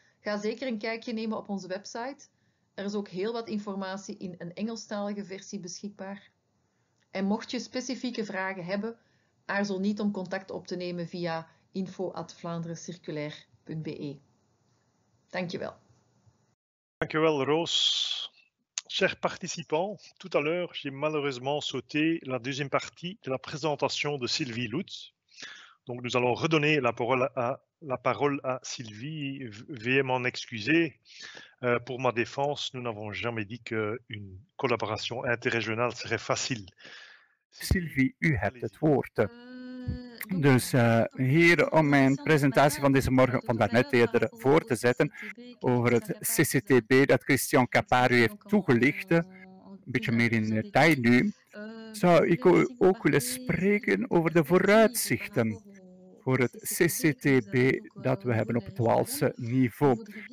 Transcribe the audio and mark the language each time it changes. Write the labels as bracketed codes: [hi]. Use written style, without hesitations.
[nl] Ga zeker een kijkje nemen op onze website. Er is ook heel wat informatie in een Engelstalige versie beschikbaar. En mocht je specifieke vragen hebben, aarzel niet om contact op te nemen via info@vlaanderencirculair.be. Dankjewel. Dankjewel, Roos. [fr] Chers participants, tout à l'heure, j'ai malheureusement sauté la deuxième partie de la présentation de Sylvie Lutz. Donc, nous allons redonner la parole à Sylvie. Veuillez m'en excuser. Pour ma défense, nous n'avons jamais dit qu'une collaboration interrégionale serait facile. [nl] Sylvie, u hebt het woord. Dus hier om mijn presentatie van deze morgen, van daarnet eerder, voor te zetten over het CCTB dat Christian Capard u heeft toegelicht, een beetje meer in detail nu, zou ik u ook willen spreken over de vooruitzichten voor het CCTB dat we hebben op het Waalse niveau.